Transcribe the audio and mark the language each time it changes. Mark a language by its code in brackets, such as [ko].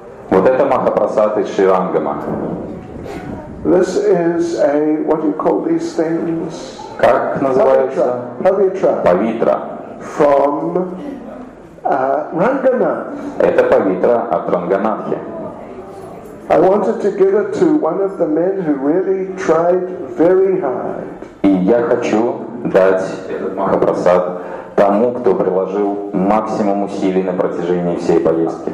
[ru] Вот это Махапрасад из Шри Рангама. [en] This is a, what do you call these things? [ru] Как называется? [en] Pavitra. Pavitra. From Ranganath. [ru] Это Pavitra от Ранганатхи. [en] I wanted to give it to one of the men who really tried very hard. [ru] И я хочу дать этот Махапрасад тому, кто приложил максимум усилий на протяжении всей поездки.